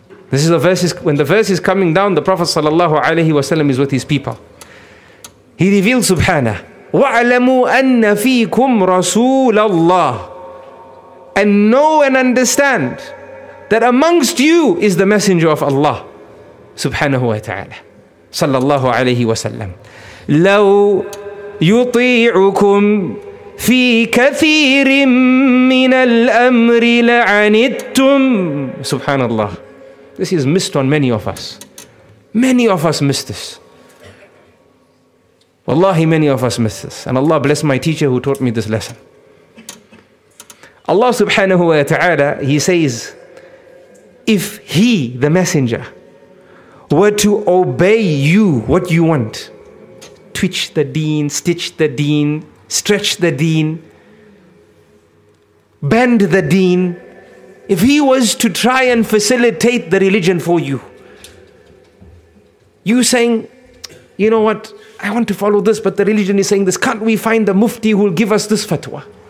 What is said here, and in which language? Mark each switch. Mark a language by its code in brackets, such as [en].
[en] This is the verses, when the verse is coming down, the Prophet sallallahu alayhi wa sallam is with his people. He revealed subhanah. [ar] وَعَلَمُوا أَنَّ فِيكُمْ رَسُولَ اللَّهِ. [en] And know and understand that amongst you is the messenger of Allah. [ar] Subhanahu wa ta'ala. Sallallahu alayhi wa sallam. لَوْ يُطِيعُكُمْ في كثير من الأمر لعنتم. سبحان الله. [en] This is missed on many of us. Many of us miss this. Wallahi, many of us miss this. And Allah bless my teacher who taught me this lesson. Allah subhanahu wa ta'ala, He says, if He, the Messenger, were to obey you, what you want, twitch the deen, stitch the deen, stretch the deen, bend the deen, if he was to try and facilitate the religion for you, you saying, you know what, I want to follow this, but the religion is saying this, can't we find the mufti who will give us this fatwa?